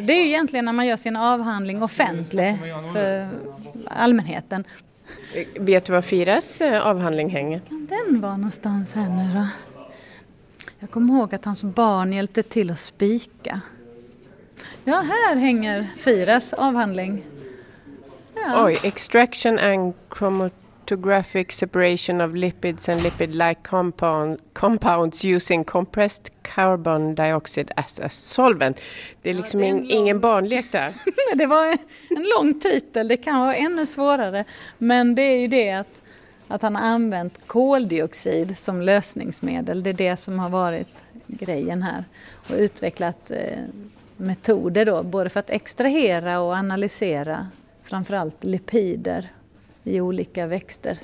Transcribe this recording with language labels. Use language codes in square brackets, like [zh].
[sv] Det är ju egentligen när man gör sin avhandling offentlig för allmänheten. Vet du var Firas avhandling hänger? Kan den vara någonstans här nu då? Jag kommer ihåg att hans barn hjälpte till att spika. Ja, här hänger Firas avhandling. Ja. [en] Oj, extraction and chromatographic separation of lipids and lipid-like compounds using compressed carbon dioxide as a solvent. [sv] Det är liksom ingen barnlek där. Det var en lång titel, det kan vara ännu svårare. Men det är ju det att han har använt koldioxid som lösningsmedel. Det är det som har varit grejen här. Och utvecklat metoder då, både för att extrahera och analysera framförallt lipider i olika växter.